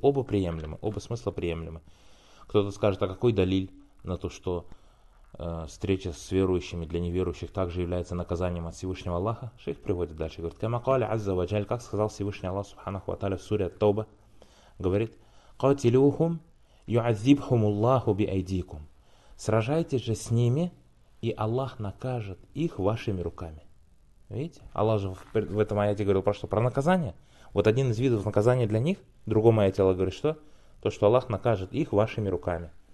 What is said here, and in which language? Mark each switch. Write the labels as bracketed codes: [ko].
[ru] Оба приемлемы, оба смысла приемлемы. Кто-то скажет, а какой далиль на то, что встреча с верующими для неверующих также является наказанием от Всевышнего Аллаха? Шейх приводит дальше, говорит, [ar] «Камакали аззаваджаль», [ru] как сказал Всевышний Аллах, субханаху ва тааля, в суре Ат-Тауба, говорит, [ar] قاتلوهم يعذبهم الله بأيديكم. [ru] Сражайтесь же с ними, и Аллах накажет их вашими руками. Видите? Аллах же в этом аяте говорил про что? Про наказание. Вот один из видов наказания для них. В другом аяте Аллах говорит что? То, что Аллах накажет их вашими руками.